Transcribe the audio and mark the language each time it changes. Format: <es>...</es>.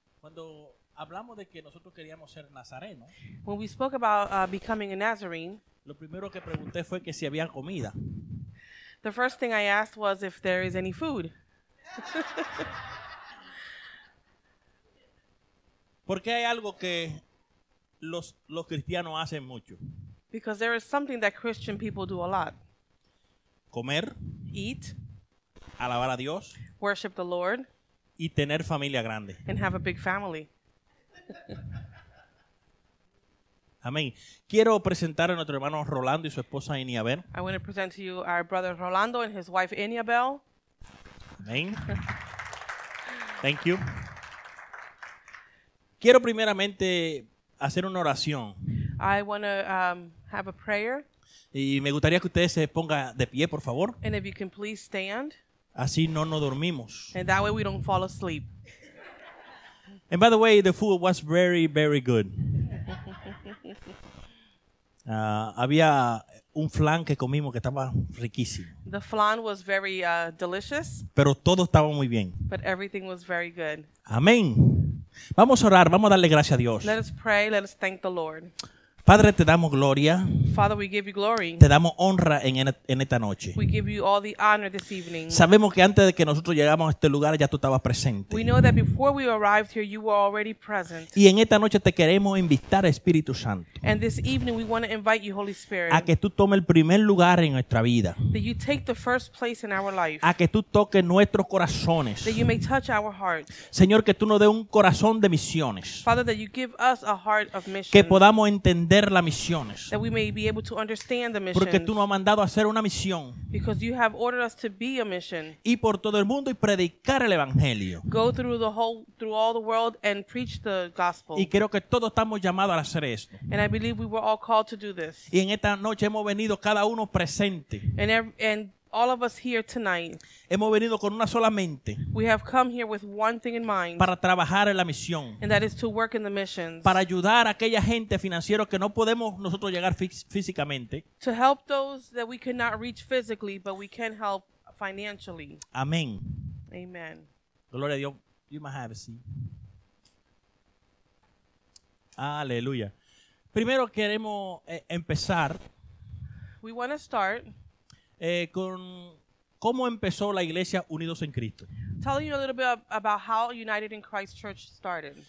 <es>Cuando hablamos de que nosotros queríamos ser nazareno,</es> <en>when we spoke about becoming a Nazarene,</en> <es>lo primero que pregunté fue que si había comida.</es> <en>The first thing I asked was if there is any food.</en> <es>Porque hay algo que los cristianos hacen mucho.</es> <en>Because there is something that Christian people do a lot.</en> <es>Comer.</es> <en>Eat.</en> <es>Alabar a Dios.</es> <en>Worship the Lord.</en> <es>Y tener familia grande.</es> <en>And have a big family.</en> <es>Amén. Quiero presentar a nuestro hermano Rolando y su esposa Iniabel.</es> <en>I want to present to you our brother Rolando and his wife Iniabel. Amén. Thank you.</en> <es>Quiero primeramente hacer una oración.</es> <en>I want to have a prayer.</en> <es>Y me gustaría que usted se ponga de pie, por favor.</es> <en>And if you can please stand.</en> <es>Así no nos dormimos.</es> <en>And that way we don't fall asleep. And by the way, the food was very, very good.</en> <es>Había un flan que comimos que estaba riquísimo.</es> <en>The flan was very delicious.</en> <es>Pero todo estaba muy bien.</es> <en>But everything was very good.</en> <es>Amén. Vamos a orar, vamos a darle gracias a Dios.</es> <en>Let us pray, let us thank the Lord.</en> <es>Padre, te damos gloria.</es> <en>Father, we give you glory.</en> <es>Te damos honra en esta noche.</es> <en>We give you all the honor this evening.</en> <es>Sabemos que antes de que nosotros llegamos a este lugar ya tú estabas presente.</es> <en>We know that before we arrived here you were already present.</en> <es>Y en esta noche te queremos invitar, Espíritu Santo.</es> <en>And this evening we want to invite you, Holy Spirit.</en> <es>A que tú tomes el primer lugar en nuestra vida.</es> <en>That you take the first place in our life.</en> <es>A que tú toques nuestros corazones.</es> <en>That you may touch our hearts.</en> <es>Señor, que tú nos dé un corazón de misiones.</es> <en>Father, that you give us a heart of mission.</en> <es>Que podamos entender las misiones.</es> <en>That we may be able to understand the</en> <es>missions. Porque tú nos has mandado a hacer una misión.</es> <en>Because you have ordered us to be a mission.</en> <es>Y por todo el mundo y predicar el evangelio.</es> <en>Go through all the world and preach the gospel.</en> <es>Y creo que todos estamos llamados a hacer esto.</es> <en>And I believe we were all called to do this.</en> <es>Y en esta noche hemos venido cada uno presente.</es> <en>And all of us here tonight.</en> <es>Hemos venido con una sola mente.</es> <en>We have come here with one thing in mind.</en> <es>Para trabajar en la misión.</es> <en>And that is to work in the missions.</en> <es>Para ayudar a aquella gente financiera que no podemos nosotros llegar físicamente.</es> <en>To help those that we cannot reach physically, but we can help financially.</en> <es>Amén.</es> <en>Amen.</en> <es>Gloria a Dios.</es> <en>You may have a seat.</en> <es>Aleluya. Primero queremos empezar.</es> <en>We want to start.</en> <es>Con cómo empezó la iglesia Unidos en Cristo.</es> <en>Telling you a little bit about how United in Christ Church started.</en>